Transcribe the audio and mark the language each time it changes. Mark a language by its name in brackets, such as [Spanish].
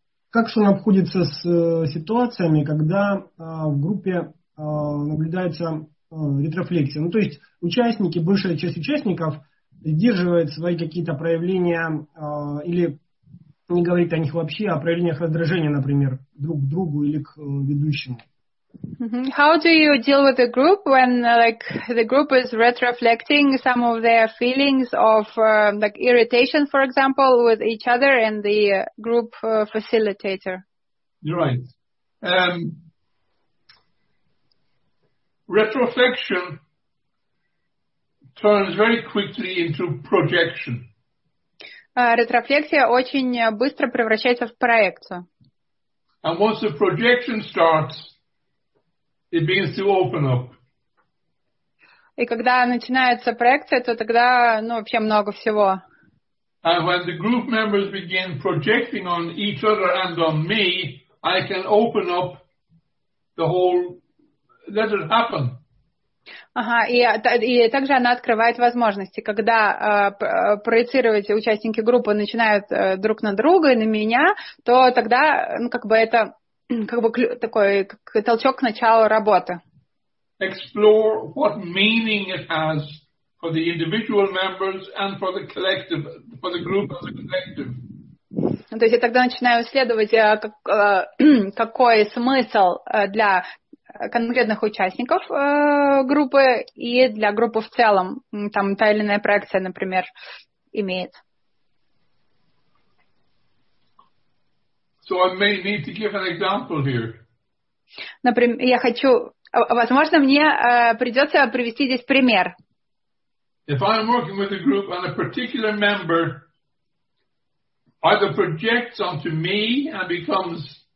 [Russian] Как Шон обходится с ситуациями, когда в группе наблюдается ретрофлексия? Ну, то есть участники, большая часть участников сдерживает свои какие-то проявления или не говорит о них вообще, о проявлениях раздражения, например, друг к другу или к ведущему. [English] How do you deal with the group when, like, the group is retroflecting some of their feelings of, like, irritation, for example, with each other and the group facilitator? You're right. Retroflection turns very quickly into projection. [Russian] Ретрофлексия очень быстро превращается в проекцию. [English] And once the projection starts, it begins to open up. [Russian] И когда начинается проекция, то тогда, ну, вообще много всего. [English] And when the group members begin projecting on each other and on me, I can open up the whole, let it happen. [Russian] Ага, и также она открывает возможности. Когда проецировать участники группы начинают друг на друга и на меня, то тогда, ну, как бы это... Как бы такой как толчок к началу работы. [English] Explore what meaning it has for the individual members and for the collective, for the group as a collective. [Russian] То есть я тогда начинаю исследовать, какой смысл для конкретных участников группы и для группы в целом. Там та или иная проекция, например, имеет. [English] So I may need to give an example here. [Russian] Например, я хочу, возможно, мне придется привести здесь пример. [English] If I'm working with a group and a particular member either projects onto me and becomes